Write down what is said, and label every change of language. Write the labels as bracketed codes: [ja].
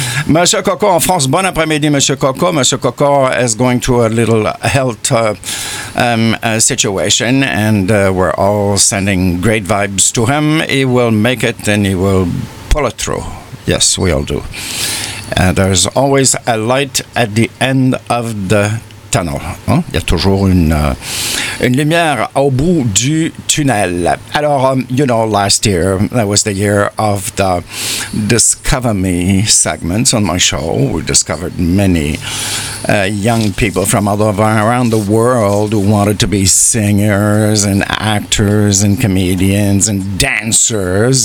[fr] Monsieur Coco en France, bon après-midi, Monsieur Coco. [en] Monsieur Coco is going through a little health situation, and we're all sending great vibes to him. He will make it and he will pull it through. Yes, we all do. There's always a light at the end of the tunnel. Hein? [fr] Il y a toujours une lumière au bout du tunnel. [en] Alors, you know, last year, that was the year of the Discover Me segments on my show. We discovered many young people from all over around the world who wanted to be singers and actors and comedians and dancers.